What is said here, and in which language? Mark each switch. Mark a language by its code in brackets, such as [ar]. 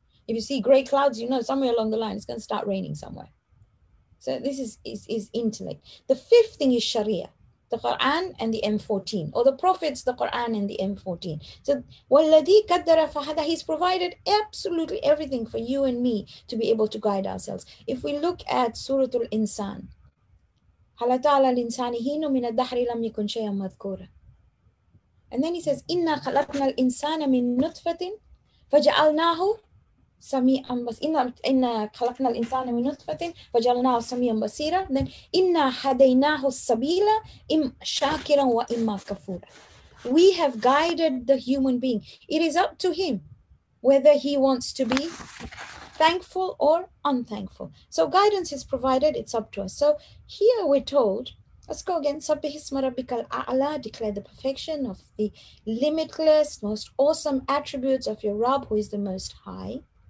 [en] If you see gray clouds, you know somewhere along the line it's going to start raining somewhere. So this is intellect. The fifth thing is Sharia, the Quran and the M14, or the prophets, the Quran and the M14. So [ar] وَالَّذِي قَدَّرَ فَهَدَى, [en] he's provided absolutely everything for you and me to be able to guide ourselves. If we look at Surah Al-Insan, [ar] هَلَا تَعْلَى الْإِنسَانِ هِنُ مِنَ الدَّحْرِ لَمْ يَكُنْ شَيْءٍ مَذْكُورًا. [en] And then he says, [ar] إِنَّا خَلَقْنَا الْإِنسَانَ مِنْ نُطْفَةٍ فَجَعَلْنَاهُ سَمِيعًا بَصِيرًا. إِنَّا خَلَقْنَا الْإِنسَانَ مِنْ نُطْفَةٍ فَجَعَلْنَاهُ سَمِيعًا بَصِيرًا. Then إِنَّا هَدَيْنَاهُ السَّبِيلَ إِمَّا شَاكِرًا وَإِمَّا كَفُورًا. [en] We have guided the human being. It is up to him whether he wants to be thankful or unthankful. So guidance is provided, it's up to us. So here we're told, let's go again. [ar] Subbihisma Rabbikal A'la, [en] declare the perfection of the limitless, most awesome attributes of your Rabb, who is the most high.